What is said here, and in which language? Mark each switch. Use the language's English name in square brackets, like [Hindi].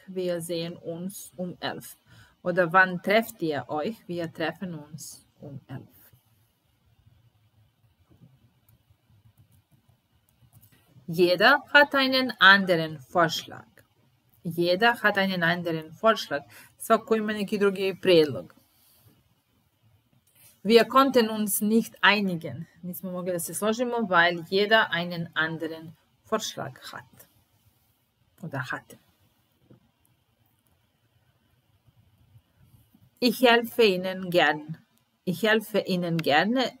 [German] Wir sehen uns um 11. Oder wann trefft ihr euch? Wir treffen uns um 11. Jeder hat einen anderen Vorschlag. Jeder hat einen anderen Vorschlag. [Serbian] Svako ima neki drugi predlog. [German] Wir konnten uns nicht einigen. [Serbian] Nismo mogli da se složimo, [German] weil jeder einen anderen Vorschlag hat. Oder hatte. Ich helfe Ihnen gern. Ich helfe Ihnen gerne.